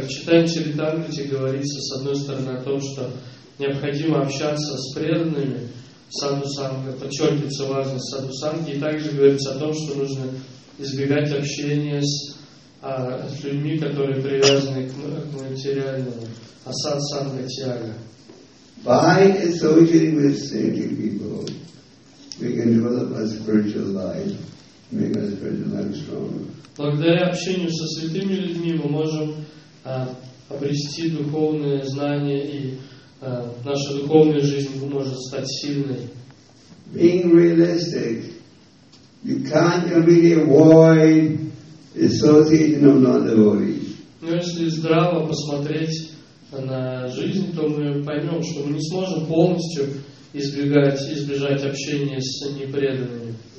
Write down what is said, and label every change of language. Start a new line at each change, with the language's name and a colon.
Russian: В читании Чаритамрити говорится, с одной стороны, о том, что необходимо общаться с преданными саду-санга, подчеркивается важность саду-санги, и также говорится о том, что нужно избегать общения с людьми, которые привязаны к материальному.
Sanskrit: Асад-санга тяга.
English: By associating with saintly people, we can develop a spiritual life, make our spiritual life stronger.
Russian: Благодаря общению со святыми людьми мы можем обрести духовные знания, и наша духовная жизнь может стать сильной.
English: Being realistic, you can't really avoid associating of non-devotees.
Russian: Но если здраво посмотреть на жизнь, то мы поймем, что мы не сможем полностью избежать общения с непреданными.